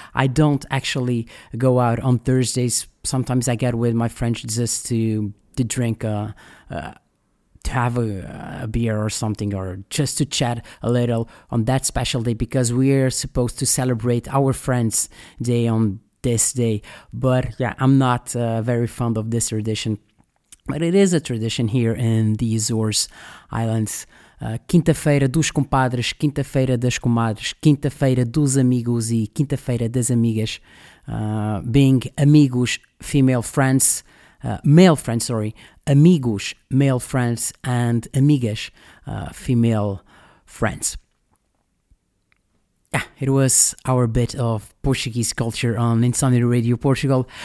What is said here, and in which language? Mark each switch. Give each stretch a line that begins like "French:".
English: I don't actually go out on Thursdays. Sometimes I get with my friends just to drink to have a beer or something, or just to chat a little on that special day, because we are supposed to celebrate our friends' day on this day. But yeah, I'm not very fond of this tradition. But it is a tradition here in the Azores Islands.
Portuguese: Quinta-feira dos compadres, quinta-feira das comadres, quinta-feira dos amigos e quinta-feira das amigas.
English: Being amigos, female friends, male friends, sorry, amigos, male friends, and amigas, female friends. Yeah, it was our bit of Portuguese culture on Insomnia Radio Portugal.